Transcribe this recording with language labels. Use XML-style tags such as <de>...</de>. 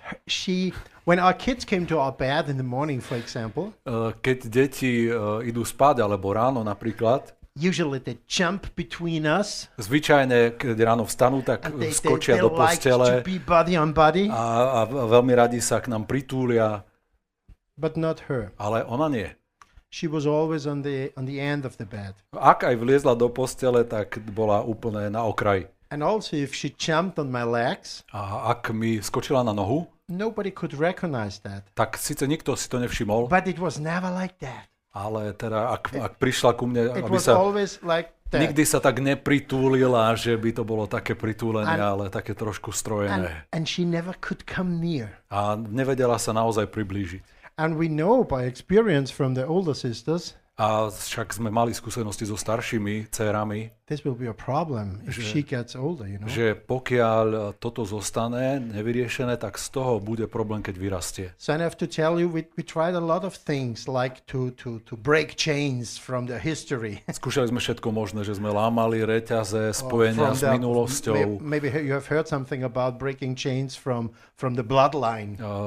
<en>She when our kids came to our bed in the morning, for example.</en> <sk>Keď deti idú spať alebo ráno napríklad.</sk> <en>Usually they jump between us.</en> <sk>Zvyčajne keď ráno vstanú, tak skočia do postele.</sk> <en>They like to be body on body.</en> <sk>A veľmi radi sa k nám pritúlia.</sk> <en>But not her.</en> <sk>Ale ona nie.</sk> <en>She was always on the end of the bed.</en> <sk>Ak aj vliezla do postele, tak bola úplne na okraji.</sk> <en>And also if she jumped on my legs.</en> <sk>A ak mi skočila na nohu?</sk> <en>Nobody could recognize that.</en> <sk>Tak síce nikto si to nevšimol.</sk> <en>But it was never like that.</en> <sk>Ale teda ak prišla ku mne,</sk> <en>it was</en> <sk>sa</sk> <en>always like that.</en> <sk>Nikdy sa tak nepritúlila, že by to bolo také pritúlenie, ale také trošku strojené.</sk> <en>And she never could come near.</en> <sk>A nevedela sa naozaj priblížiť.</sk> <en>And we know by experience from the older sisters.</en> <sk>A však sme mali skúsenosti so staršími dcérami.</sk> <en>This will be a problem if she gets older, you know.</en> <sk>Že pokiaľ toto zostane nevyriešené, tak z toho bude problém, keď vyrastie.</sk> <en>So I have to tell you we tried a lot of things like to break chains from the history.</en> <sk>Skúšali sme všetko možné, že sme lámali reťaze spojenia s minulosťou.</sk> <en>Maybe you have heard something about breaking chains from the bloodline.</en>